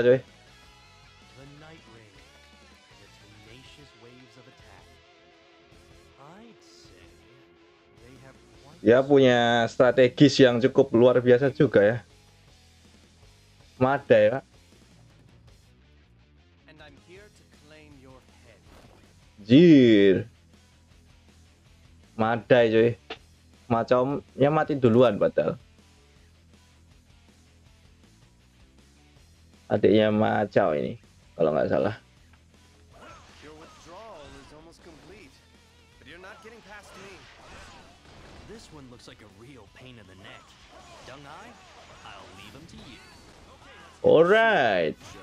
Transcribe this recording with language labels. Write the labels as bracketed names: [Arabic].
[English] The night ring, the tenacious waves of attack. I'd say they have quite... [Indonesian] Ya punya strategis yang cukup luar biasa juga ya. Mada ya. [English] And I'm here to claim your head. [Indonesian] Jir. Mada coy. Macamnya mati duluan padahal. Adiknya Macau ini kalau nggak salah. [English] Your withdrawal is almost complete, but you're not getting past me. This one looks like a real pain in the neck. Dung I? I'll leave him to you. Alright.